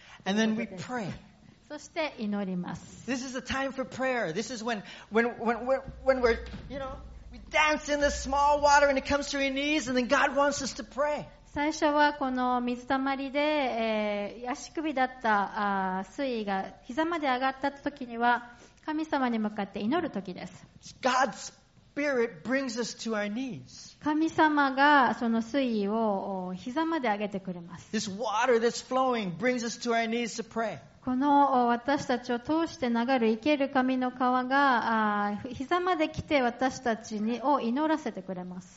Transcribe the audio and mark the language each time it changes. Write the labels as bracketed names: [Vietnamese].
[English] And then we pray. [Japanese] そして祈ります。 [English] This is a time for prayer. This is when we're, you know, we dance in the small water and it comes to our knees and then God wants us to pray. [Japanese] 最初はこの水たまりで、足首だった水位が膝まで上がった時には神様に向かって祈る時です。 [English] God's Spirit brings us to our knees. [Japanese] 神様がその水位を膝まで上げてくれます。 [English] This water that's flowing brings us to our knees to pray. [Japanese] この私たちを通して流る生ける神の川が膝まで来て私たちを祈らせてくれます。